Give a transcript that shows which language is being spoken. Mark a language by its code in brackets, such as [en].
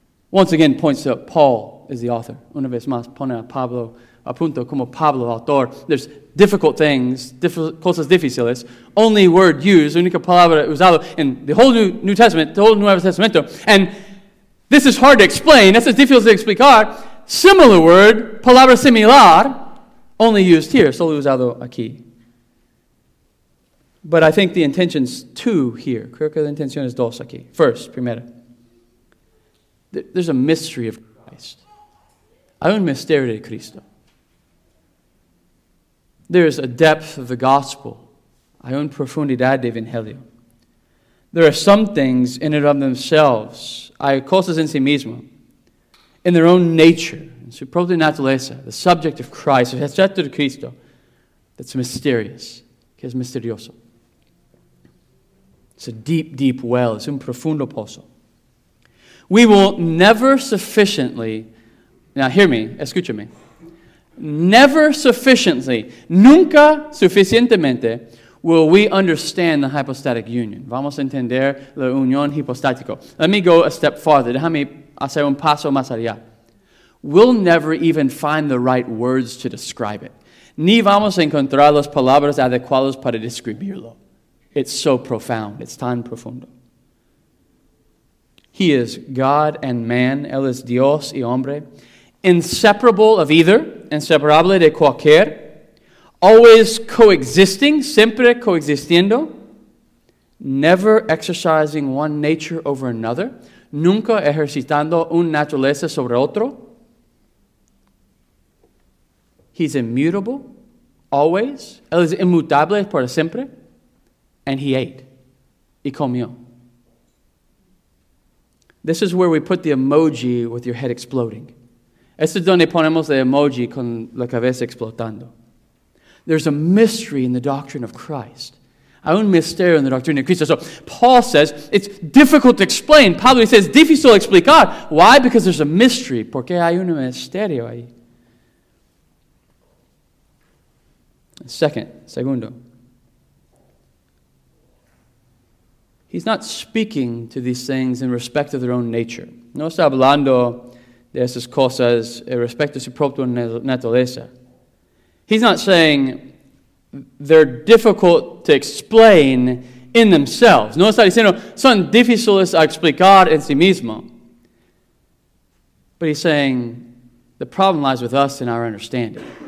[en] Once again, points to Paul is the author. [es] Una vez más, pone a Pablo, a punto como Pablo, autor. [en] There's difficult things, [es] cosas difíciles. [en] Only word used, [es] única palabra usada [en] in the whole New Testament, the whole [es] Nuevo Testamento. [en] And this is hard to explain. This is [es] difícil de explicar. [en] Similar word, [es] palabra similar, [en] only used here, [es] solo usado aquí. [en] But I think the intention's two here. [es] Creo que la intención es dos aquí. [en] First, [es] primera. [en] There's a mystery of Christ. [es] Hay un misterio de Cristo. [en] There's a depth of the gospel. [es] Hay una profundidad de evangelio. [en] There are some things in and of themselves. [es] Hay cosas en sí mismo. [en] In their own nature. [es] En su propia naturaleza. [en] The subject of Christ. [es] El sujeto de Cristo. [en] That's mysterious. [es] Que es misterioso. [en] It's a deep, deep well. It's [es] un profundo pozo. [en] We will never sufficiently, now hear me, [es] escúchame, [en] never sufficiently, [es] nunca suficientemente, [en] will we understand the hypostatic union. [es] Vamos a entender la unión hipostática. [en] Let me go a step farther. [es] Déjame hacer un paso más allá. [en] We'll never even find the right words to describe it. [es] Ni vamos a encontrar las palabras adecuadas para describirlo. [en] It's so profound. It's [es] tan profundo. [en] He is God and man. [es] Él es Dios y hombre. [en] Inseparable of either. [es] Inseparable de cualquier. [en] Always coexisting. [es] Siempre coexistiendo. [en] Never exercising one nature over another. [es] Nunca ejercitando una naturaleza sobre otro. [en] He's immutable. always. [es] Él es inmutable para siempre. [en] And he ate. [es] Y comió. [en] This is where we put the emoji with your head exploding. [es] Esto es donde ponemos el emoji con la cabeza explotando. [en] There's a mystery in the doctrine of Christ. [es] Hay un misterio en la doctrina de Cristo. [en] So Paul says it's difficult to explain. Pablo says [es] difícil explicar. [en] Why? Because there's a mystery. [es] Porque hay un misterio ahí. Segundo. [en] He's not speaking to these things in respect of their own nature. [es] No está hablando de esas cosas en respecto a su propia naturaleza. [en] He's not saying they're difficult to explain in themselves. [es] No está diciendo son difíciles a explicar en sí mismo. [en] But he's saying the problem lies with us in our understanding.